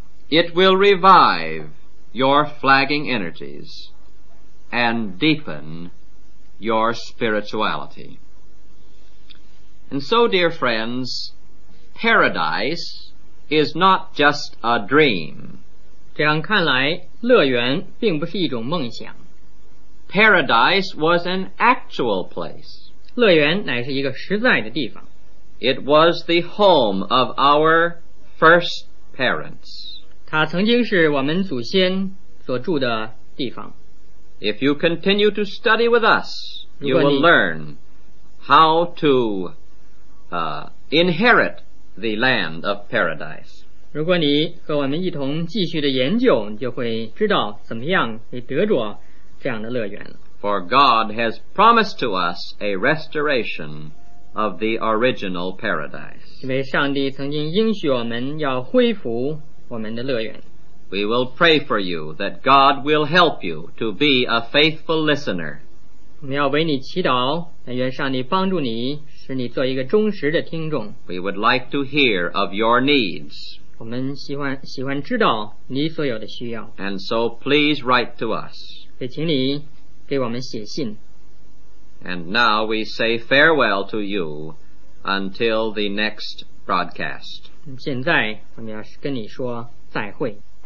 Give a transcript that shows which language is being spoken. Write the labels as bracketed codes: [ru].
[en] It will revive your flagging energies and deepen your spirituality. And so, dear friends, paradise is not just a dream. [zh] 这样看来, 乐园并不是一种梦想。 [en] Paradise was an actual place. [zh] 乐园乃是一个实在的地方。 [en] It was the home of our first parents. [zh] 它曾经是我们祖先所住的地方。 [en] If you continue to study with us, you will learn how to inherit the land of paradise. [zh] 如果你和我们一同继续的研究, 你就会知道怎么样会得着这样的乐园。 [en] For God has promised to us a restoration of the original paradise. [zh] 因为上帝曾经应许我们要恢复我们的乐园。 [en] We will pray for you that God will help you to be a faithful listener. [zh] 我们要为你祈祷, 愿上帝帮助你, 使你做一个忠实的听众。 [en] We would like to hear of your needs. [zh] 我们喜欢知道你所有的需要。 [en] And so please write to us. [zh] 也请你给我们写信。 [en] And now we say farewell to you until the next broadcast. [zh] 现在我们要跟你说再会。